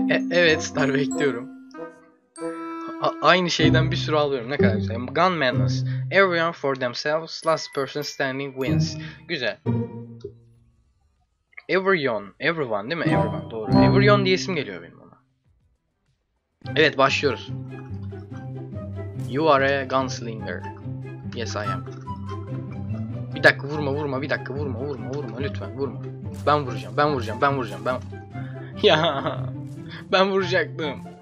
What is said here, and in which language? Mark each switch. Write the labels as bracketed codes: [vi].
[tr] Evet, Star bekliyorum. Aynı şeyden bir sürü alıyorum. Ne kadar güzel. Gun Madness. [en] Everyone for themselves. Last person standing wins. [tr] Güzel. Everyone. Everyone değil mi? Everyone. Doğru. Everyone diye isim geliyor benim ona. Evet, başlıyoruz. [en] You are a gunslinger. Yes I am. [tr] Bir dakika, vurma vurma. Bir dakika, vurma vurma vurma. Lütfen vurma. Ben vuracağım. Ben vuracağım. Ben vuracağım. Ben... Ya. Ben vuracaktım.